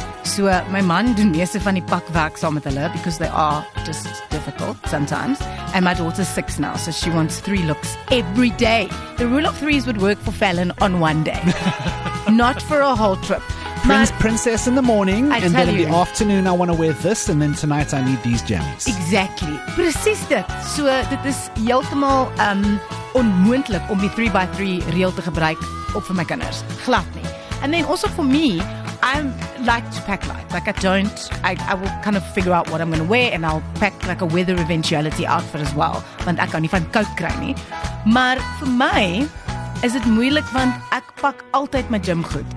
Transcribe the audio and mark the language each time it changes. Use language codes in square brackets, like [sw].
[af] So, my man doen meeste van die pakwerk saam met hulle [en] because they are just difficult sometimes. And my daughter's 6 now, so she wants 3 looks every day. The rule of threes would work for Fallon on one day. Not for a whole trip. Princess in the morning, and then in the afternoon I want to wear this, and then tonight I need these jammies. Exactly. [af] Precies dit. So, dit is heeltemal onmoontlik om die 3x3 reel te gebruik op vir my kinders. Glad nie. [en] And then also for me, I like to pack light. Like I will kind of figure out what I'm going to wear and I'll pack like a weather eventuality outfit as well. [af] Want ek kan nie van koud kry nie. Maar vir my is dit moeilik want ek pak altyd my gym goed.